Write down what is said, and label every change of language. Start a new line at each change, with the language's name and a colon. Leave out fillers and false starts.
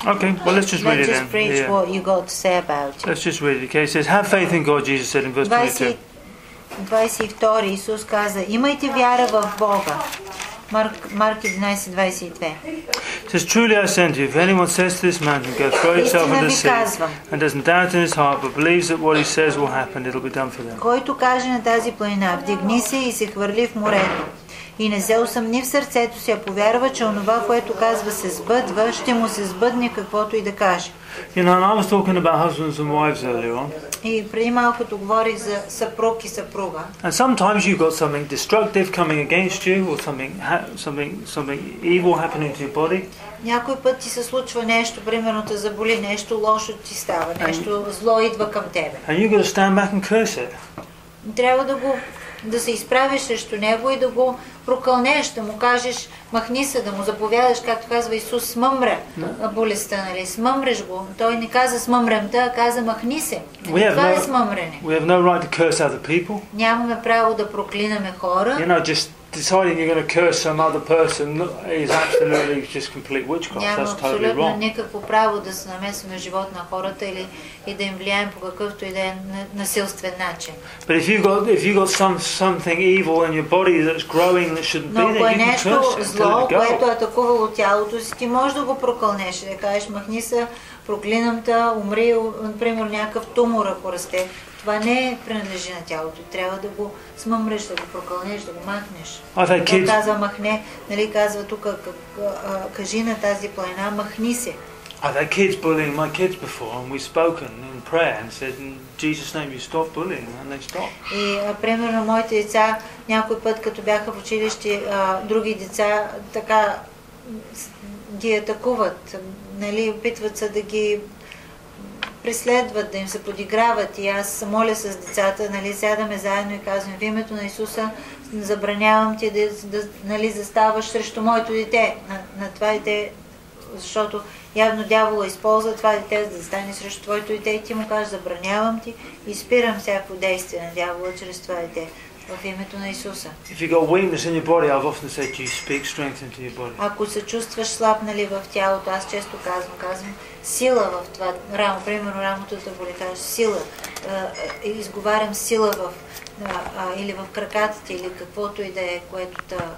English: Okay, well let's just read it then. Let's just preach what you got to say about it. Let's just read it, okay? It says, have faith in God, Jesus said in verse 22.
Bulgarian: 22, Исус каза, имайте вяра в Бога.
English: Mark 11:22. It says, truly I say to you, if anyone says to this mountain, go throw yourself in the sea, and doesn't doubt in his heart, but believes that what he says will happen, it'll be done for them.
Bulgarian: Който каже на тази планина, вдигни се и се хвърли в морето, и не се усъмни в сърцето си, а повярва, че онова, което казва, се сбъдва, ще му се сбъдне каквото и да каже.
English: You know, and I was talking about husbands and wives earlier on.
Bulgarian: И преди малкото говори за съпруг и съпруга.
English: And sometimes you've got something destructive coming against you or something evil happening to your body.
Bulgarian: Някой път ти се случва нещо, примерно те заболи нещо, лошо ти става, нещо зло идва към тебе.
English: And you've got to stand back and curse it.
Bulgarian: Трябва да се изправиш срещу него и да го прокълнеш, да му кажеш, махни се, да му заповядаш, както казва Исус, смъмря болестта, нали, смъмреш го. Той не каза смъмрямта, а каза махни се. Това е смъмрене.
English: We have no right to curse other people.
Bulgarian: Нямаме право да проклинаме хора.
English: You know, just deciding you're going to curse some other person is absolutely just complete witchcraft.
Bulgarian: Няма
English: That's totally wrong.
Bulgarian: Абсолютно никакво право да се намесваме в живота на хората или и да им влияем по какъвто и да е насилствен начин.
English: But if you got something evil in your body that's growing that shouldn't be there, you can curse it.
Bulgarian: Но ако е нещо зло, което е атакувало тялото си, ти можеш да го прокълнеш и да кажеш, махни се, проклинам те, умри, например, някакъв тумор, ако расте. Това не принадлежи на тялото. Трябва да го смъмреш, да го прокълнеш, да го махнеш. Той казва махне, нали, казва тук, кажи на тази планина, махни се.
English: I've had kids bullying my kids before, and we've spoken in prayer and said, in Jesus' name, you stop bullying, and they stop.
Bulgarian: И примерно моите деца някой път, като бяха в училище, други деца така ги атакуват, нали, опитват се да ги преследват, да им се подиграват. И аз моля с децата, нали, сядаме заедно и казвам, в името на Исуса забранявам ти да нали, заставаш срещу моето дете, на това дете, защото явно дявола използва това дете, за да стане срещу твоето дете и ти му кажеш, забранявам ти и спирам всяко действие на дявола чрез това дете в името на Исуса.
English: If you got weakness in your body, I've often said to you, speak strength into your body.
Bulgarian: Ако се чувстваш слаб, нали, в тялото, аз често казвам сила в това рамо, примерно рамото да боли, кажеш сила, изговарям сила в или в краката ти, или каквото и да е, което